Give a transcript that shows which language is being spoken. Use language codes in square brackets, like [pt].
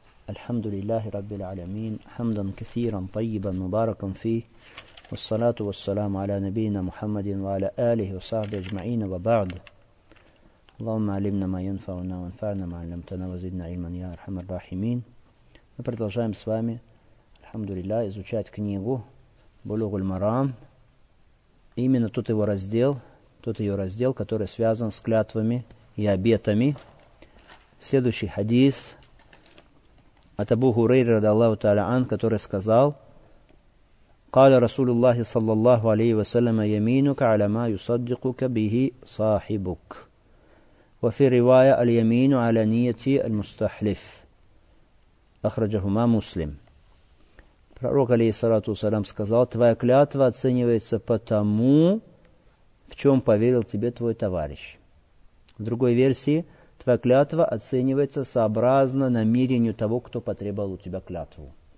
[ar] الحمد لله رب العالمين، حمدا كثيرا طيبا مباركا فيه، والصلاة والسلام على نبينا محمد وعلى آله وصحبه أجمعين، وبعد. اللهم علمنا ما ينفعنا وانفعنا ما علمتنا وزدنا علما يا أرحم الراحمين. [ru] Мы продолжаем с вами, [ar] الحمد لله, [ru] изучать книгу بلوغ المرام. Именно тот ее раздел, который связан с клятвами и обетами. Следующий хадис от Абу Хурейры радиаллаху тааля ан, который сказал: [ar] قال رسول الله صلى الله عليه وسلم يمينك على ما يصدقك به صاحبك وفي رواية اليمين على نية المستحلف أخرجهما مسلم. [ru] Пророк алейхиссалату вассалям сказал: твоя клятва оценивается по тому, в чем поверил тебе твой товарищ. В другой версии: твоя клятва оценивается сообразно намерению того, кто потребовал у тебя клятву.